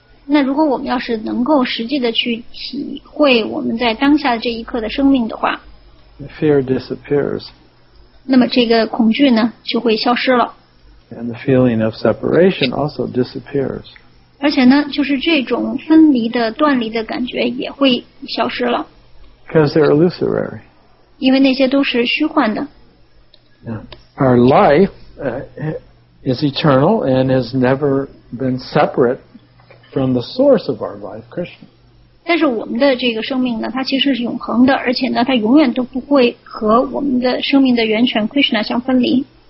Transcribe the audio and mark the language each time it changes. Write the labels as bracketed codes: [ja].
[zh] 那如果我们要是能够实际的去体会我们在当下这一刻的生命的话 [en] fear disappears. [zh] 那么这个恐惧呢就会消失了 [en] And the feeling of separation also disappears. [zh] 而且呢就是这种分离的断离的感觉也会消失了 [en] Because they're illusory. [zh] 因为那些都是虚幻的 [en] Yeah. Our life is eternal and has never been separate from the source of our life, Krishna. [zh] 但是我们的这个生命呢，它其实是永恒的，而且呢，它永远都不会和我们的生命的源泉 Krishna 相分离。